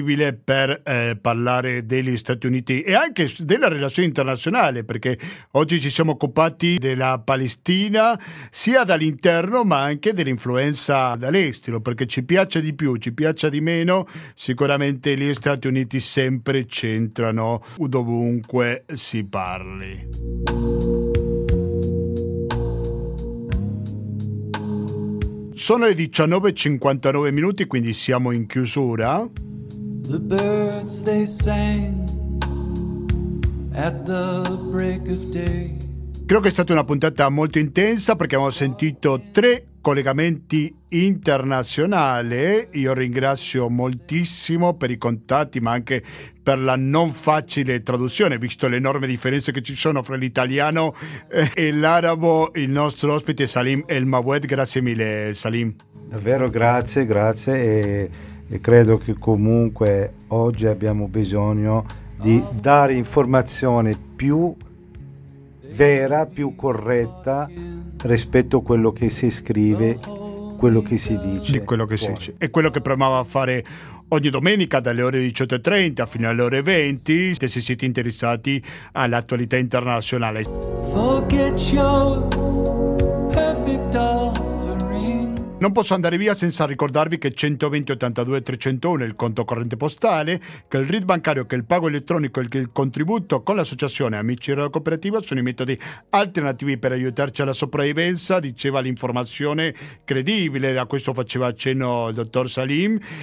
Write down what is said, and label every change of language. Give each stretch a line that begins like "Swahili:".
Italian: possibile per parlare degli Stati Uniti e anche della relazione internazionale, perché oggi ci siamo occupati della Palestina sia dall'interno ma anche dell'influenza dall'estero, perché ci piaccia di più, ci piaccia di meno, sicuramente gli Stati Uniti sempre c'entrano dovunque si parli. Sono le 19:59 minuti, quindi siamo in chiusura.
English: The birds they sang at the break of day.
Italian: Credo che è stata una puntata molto intensa perché abbiamo sentito tre collegamenti internazionali. Io ringrazio moltissimo per i contatti ma anche per la non facile traduzione, visto le enormi differenze che ci sono fra l'italiano e l'arabo, il nostro ospite Salim El Mawed. Grazie mille Salim. Davvero grazie e credo che comunque oggi abbiamo bisogno di dare informazione più vera, più corretta rispetto a quello che si scrive, quello che si dice. Di quello che si dice. È quello che proviamo a fare ogni domenica dalle ore 18:30 fino alle ore 20, se siete interessati all'attualità internazionale.
English: Forget your perfect offering.
Italian: Non posso andare via senza ricordarvi che 120-82-301 è il conto corrente postale, che il RID bancario, che il pago elettronico e che il contributo con l'associazione Amici Radio Cooperativa sono i metodi alternativi per aiutarci alla sopravvivenza, diceva l'informazione credibile, da questo faceva accenno il dottor Salim.